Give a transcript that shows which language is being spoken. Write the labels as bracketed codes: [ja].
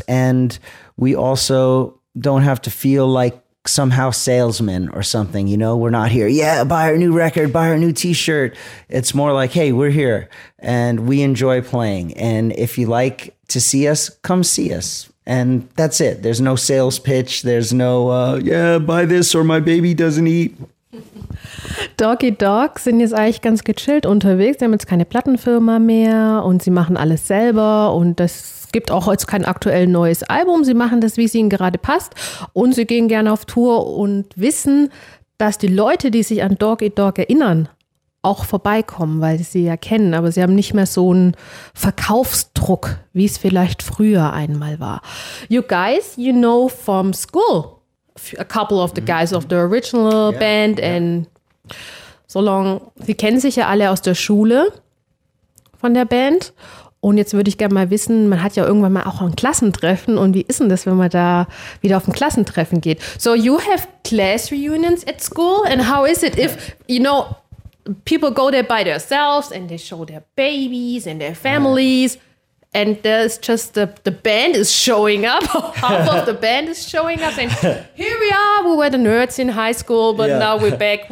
[en] And we also don't have to feel like somehow salesmen or something, you know, we're not here. Yeah. Buy our new record, buy our new t-shirt. It's more like, hey, we're here and we enjoy playing. And if you like to see us, come see us. And that's it. There's no sales pitch. There's no, yeah, buy this or my baby doesn't eat. [de] Doggy Dogg sind jetzt eigentlich ganz gechillt unterwegs. Sie haben jetzt keine Plattenfirma mehr und sie machen alles selber. Und das gibt auch jetzt kein aktuell neues Album. Sie machen das, wie es ihnen gerade passt. Und sie gehen gerne auf Tour und wissen, dass die Leute, die sich an Doggy Dogg erinnern, auch vorbeikommen, weil sie ja kennen. Aber sie haben nicht mehr so einen Verkaufsdruck, wie es vielleicht früher einmal war. [en] You guys, you know from school. A couple of the guys of the original band and so long. [de] Sie kennen sich ja alle aus der Schule von der Band. Und jetzt würde ich gerne mal wissen, man hat ja irgendwann mal auch ein Klassentreffen. Und wie ist denn das, wenn man da wieder auf ein Klassentreffen geht? [en] So you have class reunions at school? And how is it if, you know, people go there by themselves and they show their babies and their families? And there's just the band is showing up. Half of the band is showing up. And here we are. We were the nerds in high school, but now we're back.